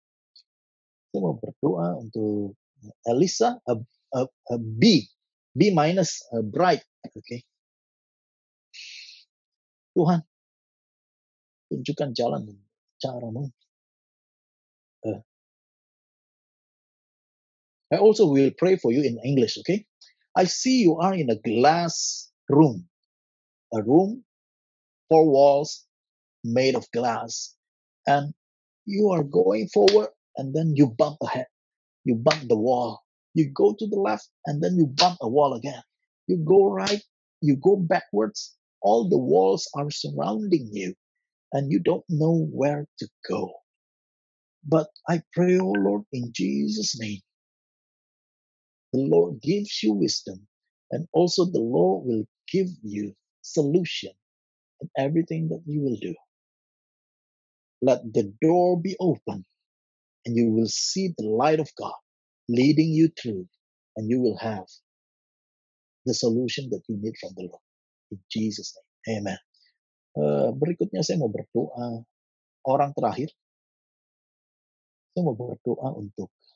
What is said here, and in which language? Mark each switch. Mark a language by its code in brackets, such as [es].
[id] Saya mau berdoa untuk Elisa, [en] B minus bright, okay? [id] Tuhan, tunjukkan jalan dan caramu. [en] I also will pray for you in English, okay? I see you are in a glass room, a room, 4 walls made of glass, and you are going forward, and then you bump ahead, you bump the wall, you go to the left, and then you bump a wall again, you go right, you go backwards, all the walls are surrounding you, and you don't know where to go. But I pray, oh Lord, in Jesus' name, the Lord gives you wisdom, and also the Lord will give you solution in everything that you will do. Let the door be open, and you will see the light of God leading you through, and you will have the solution that you need from the Lord. In Jesus' name, amen. [id] Berikutnya saya mau berdoa, orang terakhir, saya mau berdoa untuk